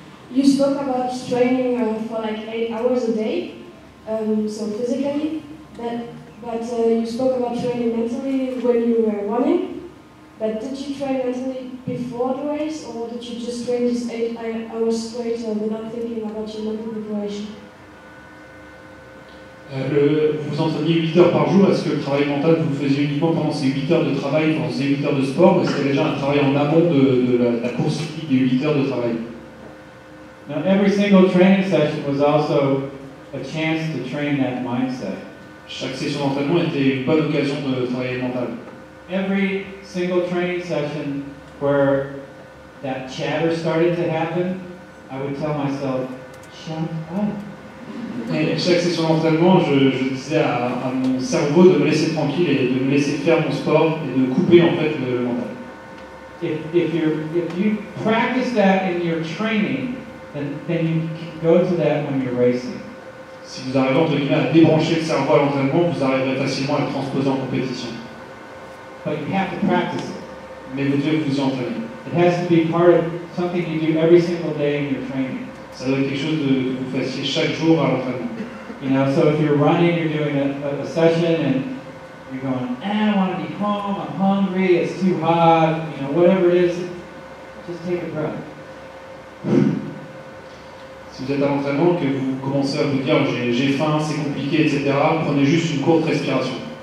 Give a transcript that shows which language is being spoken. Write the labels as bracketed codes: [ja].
[en] You spoke about training for like 8 hours a day, so physically, but you spoke about training mentally when you were running, but did you train mentally before the race, or did you just train these 8 hours straight without thinking about your mental preparation? [fr] Vous entraîniez 8 heures par jour, est-ce que le travail mental vous faisiez uniquement pendant ces 8 heures de travail, pendant ces 8 heures de sport, ou est-ce qu'il y a déjà un travail en amont de la course physique des 8 heures de travail? [en] Now every single training session was also a chance to train that mindset. [fr] Chaque session d'entraînement était une bonne occasion de travailler le mental. [en] Every single training session where that chatter started to happen, I would tell myself, shut up. [fr] Et chaque session d'entraînement, je disais à mon cerveau de me laisser tranquille et de me laisser faire mon sport et de couper en fait le mental. [en] If you practice that in your training, then you can go to that when you're racing. [fr] Si vous arrivez entre guillemets à débrancher le cerveau à l'entraînement, vous arriverez facilement à le transposer en compétition. [en] But you have to practice it. [fr] Mais vous devez vous y entraîner. [en] It has to be part of something you do every single day in your training. [fr] Ça doit être quelque chose que vous fassiez chaque jour à l'entraînement. [en] You know, so if you're running, you're doing a session and you're going, I want to be home, I'm hungry, it's too hot, you know, whatever it is, just take a breath. [fr] Si vous êtes à l'entraînement, que vous commencez à vous dire j'ai faim, c'est compliqué, etc., prenez juste une courte respiration.